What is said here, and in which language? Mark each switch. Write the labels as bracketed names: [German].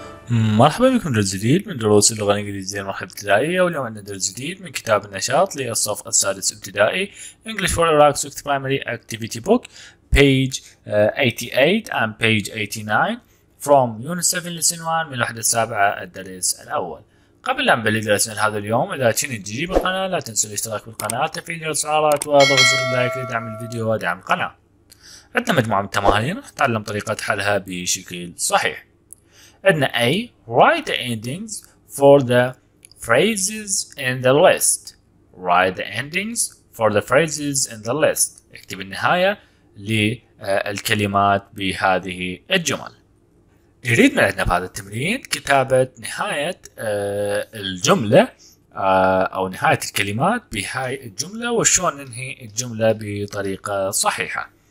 [Arabic] مرحبا بكم درس جديد من دروس اللغة الإنجليزية المرحلة الابتدائية، واليوم عندنا درس جديد من كتاب النشاط للصف السادس ابتدائي [English] English for Iraq's 6th Primary Activity Book page 88 and page 89 from unit 7 lesson 1 [Arabic] من الوحدة السابعة الدرس الأول. قبل أن نبدأ درسنا هذا اليوم، إذا كنت جديد بالقناة لا تنسوا الاشتراك بالقناة، تفعيل جرس الإشعارات وضغط زر اللايك لدعم الفيديو ودعم القناة. عندنا مجموعة من التمارين نتعلم طريقة حلها بشكل صحيح. عندنا A. [English] Write the endings for the phrases in the list. Write the endings for the phrases in the list. [Arabic] اكتب النهاية للكلمات بهذه الجمل. يريدنا عندنا في هذا التمرين كتابة نهاية الجملة أو نهاية الكلمات بهاي الجملة وشون ننهي الجملة بطريقة صحيحة.